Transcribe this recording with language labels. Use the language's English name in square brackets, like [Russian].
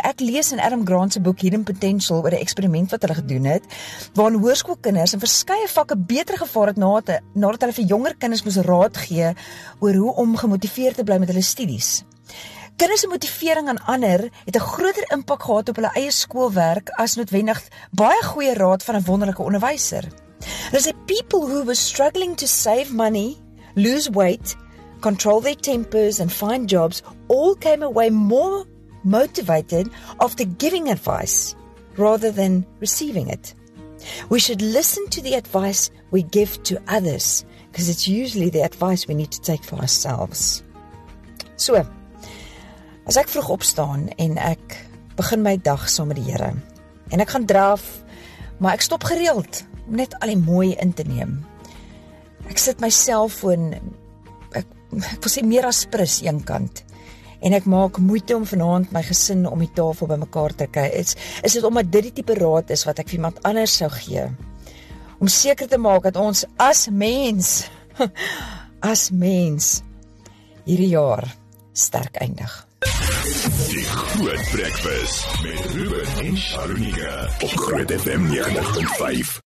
[Afrikaans] Ek lees in Adam Grant se boek Hidden Potential oor 'n eksperiment wat hulle gedoen het, waarin hoërskoolkinders in verskeie vakke beter gevaar het nadat hulle vir jonger kinders moes raad gee oor hoe om gemotiveerd te bly met hulle studies. Kinders se motivering aan ander het 'n groter impak gehad op hulle eie skoolwerk as noodwendig baie goeie raad van 'n wonderlike onderwyser. Hulle sê [English] people who were struggling to save money, lose weight, control their tempers and find jobs all came away more motivated after giving advice rather than receiving it. We should listen to the advice we give to others because it's usually the advice we need to take for ourselves. [Afrikaans] So, as ek vroeg opstaan en ek begin my dag saam met die Here en ek gaan draf, maar ek stop gereeld om net al die mooi in te neem. Ek sit my selfoon, ek wil sê meer as prus een kant, en ek maak moeite om vanavond my gesin om die tafel by mekaar te kry. Is dit omdat dit die type raad is wat ek vir iemand anders sou gee, om seker te maak dat ons as mens hierdie jaar sterk eindig. Die Groot Breakfast met Ruben en Sharunika op Groot FM 90.5.